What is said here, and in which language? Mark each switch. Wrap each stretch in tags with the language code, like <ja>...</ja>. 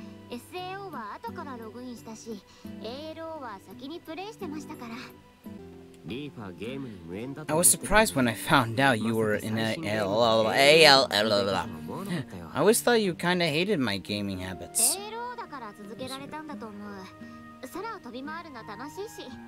<ja>SAO は後からログインしたし、ALOは先にプレイしてましたから。</ja> <en>I was surprised when I found out you were in ALO. I always thought you kinda hated my gaming habits.</en> <ja>ALOだから続けられたんだと思う。空を飛び回るの楽しいし。</ja>